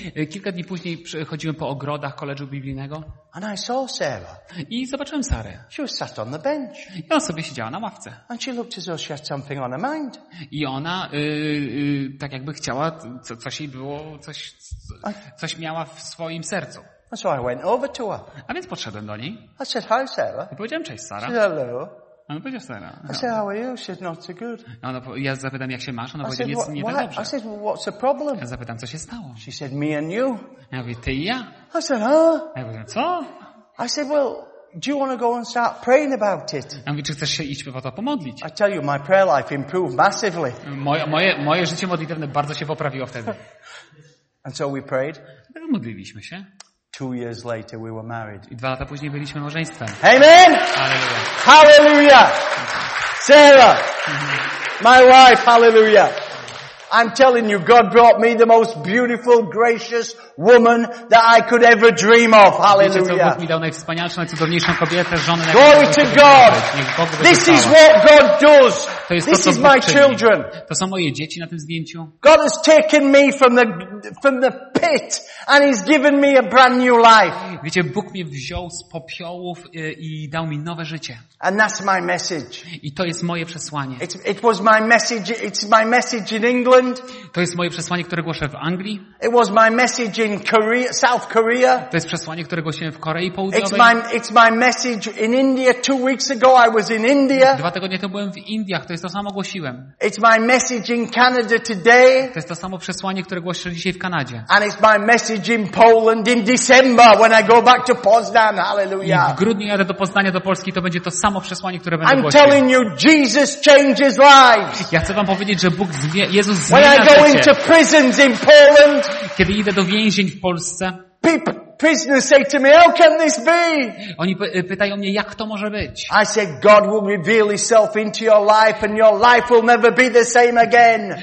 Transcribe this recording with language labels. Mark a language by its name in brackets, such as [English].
[Polish] Kilka dni później chodziłem po ogrodach koledżu biblijnego. [English] And I saw Sarah. [Polish] I zobaczyłem Sarę. [English] She was sat on the bench. [Polish] I ona sobie siedziała na ławce. [English] And she looked as though she had something on her mind. [Polish] I ona tak jakby chciała, coś jej było, coś miała w swoim sercu. [English] So I went over to her. [Polish] A więc podszedłem do niej. [English] I said, hi, Sarah. [Polish] I powiedziałem, cześć, Sara. [English] She said, hello. [Polish] Ona powiedziała, Sarah. [English] I said, how are you? She said, not so good. [Polish] Ja zapytam, jak się masz? Ona powiedziała, nie tak dobrze. [English] I said, what's the problem? [Polish] Ja zapytam, co się stało? [English] She said, me and you. [Polish] Ja mówię, ty i ja. [English] I said, [Polish] Ja powiedziałem, co? [English] I said, well, do you want to go and start praying about it? [Polish] Ja mówię, czy chcesz się iść po to pomodlić? [English] I tell you, my prayer life improved massively. [Polish] Moje życie modlitewne bardzo się poprawiło wtedy. [English] And so we prayed. [Polish] Modliliśmy się. [English] 2 years later, we were married. [Polish] I 2 lata później byliśmy małżeństwem. [English] Amen. Hallelujah. Hallelujah. Sarah, my wife. Hallelujah. I'm telling you, God brought me the most beautiful, gracious woman that I could ever dream of. Hallelujah. [Polish] Bóg mi dał najwspanialszą, najcudowniejszą kobietę, żonę. [English] Glory to God. This is what God does. [Polish] To jest [English] this [Polish] to, co [English] is my children. [Polish] To są moje dzieci na tym zdjęciu. [English] God has taken me from the pit and he's given me a brand new life. [Polish] Wiecie, Bóg mnie wziął z popiołów i dał mi nowe życie. [English] And that's my message. [Polish] I to jest moje przesłanie. [English] It was my message. It's my message in England. [Polish] To jest moje przesłanie, które głoszę w Anglii. [English] It was my message in Korea, South Korea. [Polish] To jest przesłanie, które głosiłem w Korei Południowej. [English] It's my message in India. 2 weeks ago I was in India. [Polish] 2 tygodnie temu byłem w Indiach. To jest to samo głosiłem. [English] It's my message in Canada today. [Polish] To jest to samo przesłanie, które głoszę dzisiaj w Kanadzie. [English] And it's my message in Poland in December when I go back to Poznan. Hallelujah. [Polish] I w grudniu jadę do Poznania, do Polski. To będzie to samo przesłanie, które będę [English] I'm [Polish] głosił. [English] I'm telling you, Jesus changes lives. [Polish] Ja chcę wam powiedzieć, że Bóg Jezus zmienia życie. [English] When I go into prisons in Poland. [Polish] Kiedy idę do więzień w Polsce. [English] Prisoners say to me, how can this be? [Polish] Oni pytają mnie, jak to może być? [English] I said, God will reveal himself into your life and your life will never be the same again.